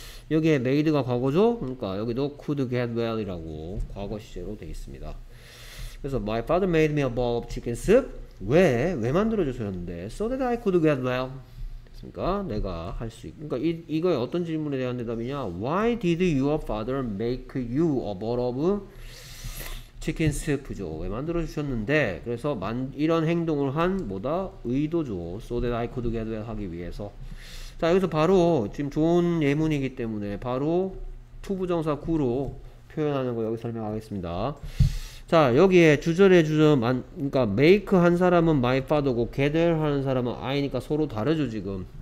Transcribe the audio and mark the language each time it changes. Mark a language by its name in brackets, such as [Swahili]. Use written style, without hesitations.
[Korean] 여기에 made가 과거죠. 그러니까 여기도 [English] could get well [Korean] 이라고 과거 시제로 되어 있습니다. 그래서 [English] my father made me a bowl of chicken soup. [Korean] 왜 만들어 주셨는데? [English] So that I could get well. [Korean] 그러니까 내가 할수 있. 그러니까 이거의 어떤 질문에 대한 대답이냐? [English] Why did your father make you a bowl of [Korean] 치킨 스프죠. 왜 만들어 주셨는데? 그래서 이런 행동을 한 뭐다? 의도죠. [English] So that I could get well [Korean] 하기 위해서. 자, 여기서 바로 지금 좋은 예문이기 때문에 바로 to 부정사 구로 표현하는 거 여기 설명하겠습니다. 자, 여기에 주절의 주저 만 그러니까 make 한 사람은 my father고 get well 하는 사람은 I니까 서로 다르죠, 지금.